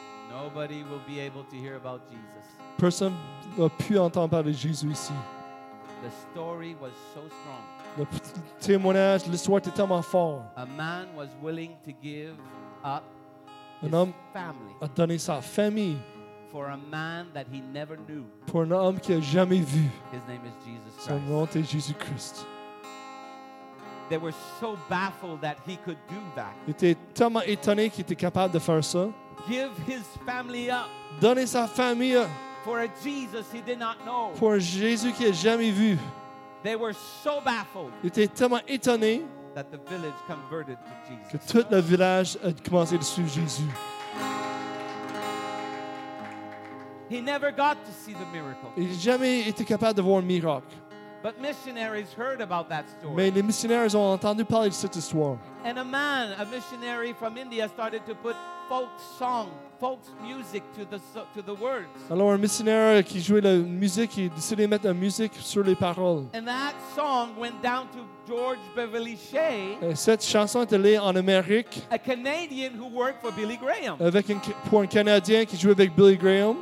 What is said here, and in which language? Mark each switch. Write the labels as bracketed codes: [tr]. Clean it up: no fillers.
[en] Nobody will be able to hear about Jesus. [fr] Personne ne va plus entendre parler de Jésus ici. [en] The story was so strong. [fr] Le témoignage, l'histoire était tellement fort. [en] A man was willing to give up. [fr] Un homme a donné sa famille [en] for a man that he never knew. [fr] Pour un homme qu'il n'a jamais vu. [en] His name is Jesus [fr] Christ. Son nom est Jésus Christ. [en] They were so baffled that he could do that. [fr] Ils étaient tellement étonnés qu'il était capable de faire ça. [en] Give his family up. [fr] Donner sa famille [en] for a Jesus he did not know. [fr] Pour un Jésus qu'il n'a jamais vu. [en] They were so baffled. [fr] Ils étaient tellement étonnés [en] that the village converted to Jesus. [fr] Que tout le village a commencé de suivre Jésus. [en] He never got to see the miracle. [fr] Il jamais été capable de voir un miracle. [en] But missionaries heard about that story. [fr] Mais les missionnaires ont entendu parler de cette histoire. [en] And a man, a missionary from India, started to put folk song, folk music to the words. [fr] Alors un missionnaire qui jouait la musique, il décidait de mettre la musique sur les paroles. [en] And that song went down to George Beverly Shea. [fr] Et cette chanson est allée en Amérique. [en] A Canadian who worked for Billy Graham. [fr] Pour un Canadien qui jouait avec Billy Graham.